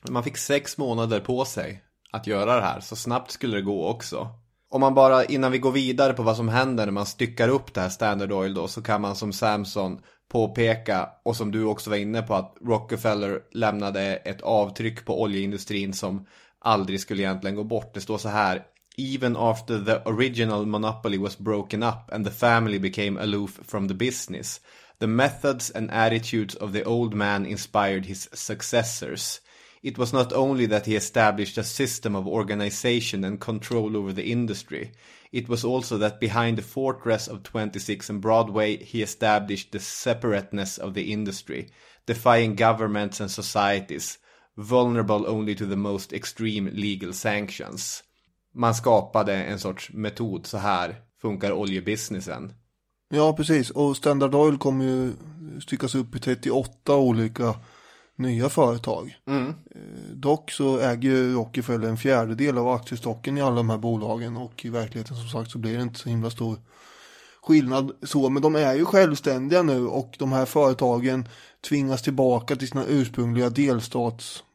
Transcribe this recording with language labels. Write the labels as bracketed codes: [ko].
[sv] Man fick 6 månader på sig att göra det här, så snabbt skulle det gå också. Om man bara, innan vi går vidare på vad som händer när man styckar upp det här Standard Oil då, så kan man som Samson påpeka, och som du också var inne på, att Rockefeller lämnade ett avtryck på oljeindustrin som aldrig skulle egentligen gå bort. Det står så här: [en] even after the original monopoly was broken up and the family became aloof from the business, the methods and attitudes of the old man inspired his successors. It was not only that he established a system of organization and control over the industry. It was also that behind the fortress of 26 and Broadway he established the separateness of the industry, defying governments and societies, vulnerable only to the most extreme legal sanctions. [sv] Man skapade en sorts metod, så här funkar oljebusinessen. Ja, precis. Och Standard Oil kommer ju styckas upp i 38 olika nya företag. Mm. Dock så äger ju Rockefeller en fjärdedel av aktiestocken i alla de här bolagen, och i verkligheten som sagt så blir det inte så himla stor skillnad så, men de är ju självständiga nu och de här företagen tvingas tillbaka till sina ursprungliga delstats